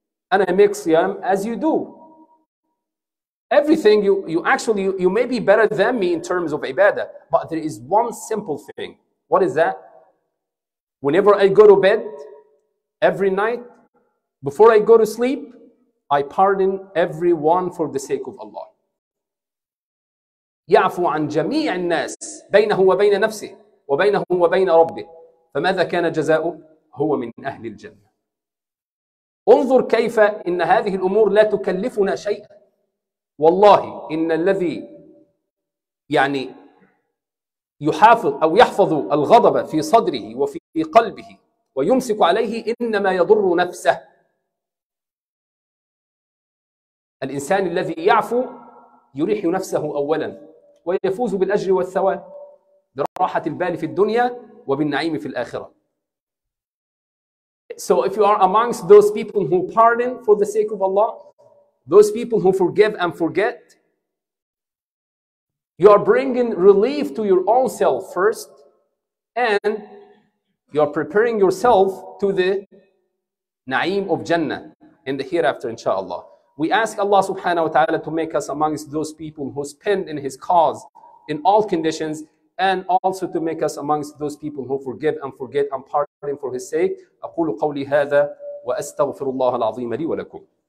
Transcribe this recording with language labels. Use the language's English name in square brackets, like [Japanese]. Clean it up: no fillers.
[English] And I make siyam as you do. Everything, you may be better than me in terms of ibadah, but there is one simple thing. What is that? Whenever I go to bed, every night, before I go to sleep, I pardon everyone for the sake of Allah. [Arabic] يعفو عن جميع الناس بينه وبين نفسه وبينه وبين ربه فماذا كان جزاؤه هو من أهل الجنة. انظر كيف إن هذه الأمور لا تكلفنا شيئا. والله إن الذي يعني يحافظ أو يحفظ الغضب في صدره وفي قلبه ويمسك عليه إنما يضر نفسه. الإنسان الذي يعفو يريح نفسه أولا ويفوز بالأجر والثواب براحة البال في الدنيا وبالنعيم في الآخرة. [English] So if you are amongst those people who pardon for the sake of Allah, those people who forgive and forget, you are bringing relief to your own self first and you are preparing yourself to the na'im of Jannah in the hereafter inshallah. We ask Allah subhanahu wa ta'ala to make us amongst those people who spend in his cause in all conditions and also to make us amongst those people who forgive and forget and pardon for his sake. [Arabic] أقول قولي هذا وأستغفر الله العظيم لي ولكم.